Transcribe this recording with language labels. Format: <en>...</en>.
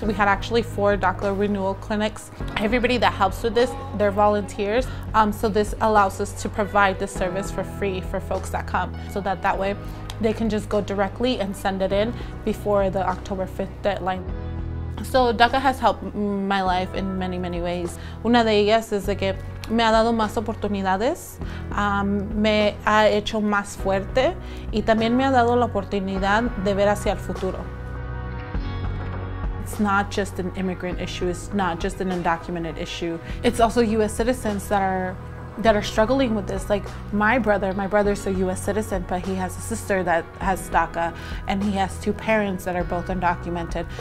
<en>We had actually 4 DACA renewal clinics. Everybody that helps with this, they're volunteers. So this allows us to provide the service for free for folks that come, so that that way they can just go directly and send it in before the October 5th deadline. So DACA has helped my life in many, many ways.</en> <es>Una de ellas es de que me ha dado más oportunidades, me ha hecho más fuerte, y también me ha dado la oportunidad de ver hacia el futuro.</es> <en>It's not just an immigrant issue, it's not just an undocumented issue. It's also U.S. citizens that are struggling with this. Like my brother's a U.S. citizen, but he has a sister that has DACA, and he has 2 parents that are both undocumented.</en>